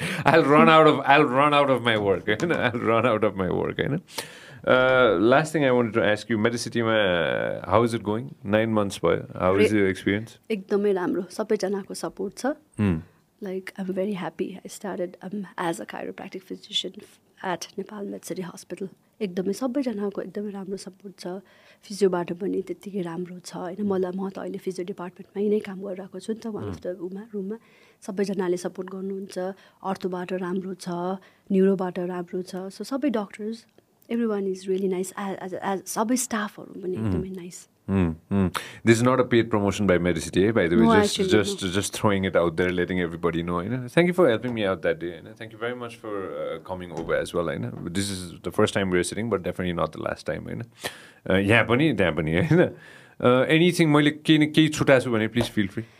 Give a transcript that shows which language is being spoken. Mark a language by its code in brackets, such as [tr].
[en] I'll run out of my work [ne] होइन [en] last thing I want to ask you मेडिसिटीमा how is it going 9 months भयो how is your experience [ne] एकदमै राम्रो सबैजनाको support छ [en] like I'm very happy I started as a chiropractic physician at Nepal Med City Hospital. [ne] एकदमै सबैजनाको एकदमै राम्रो support छ, फिजियोबाट पनि त्यत्तिकै राम्रो छ होइन. मलाई म त अहिले फिजियो डिपार्टमेन्टमै नै काम गरिरहेको छु नि त, वान अफ द उमा रुममा सबैजनाले सपोर्ट गर्नुहुन्छ. अर्थोबाट राम्रो छ, न्युरोबाट राम्रो छ. सो सबै doctors [en] every one is really nice, [ne] as as सबै स्टाफहरू पनि एकदमै nice. [en] This is not a paid promotion by Medicity, by the way. No, just throwing it out there, letting everybody know. You know, thank you for helping me out that day. You know, thank you very much for coming over as well. You know, this is the first time we're sitting, but definitely not the last time. You know, yeah, pani. You know, anything, [ne] maile kei chuta chu bhane, [en] please feel free.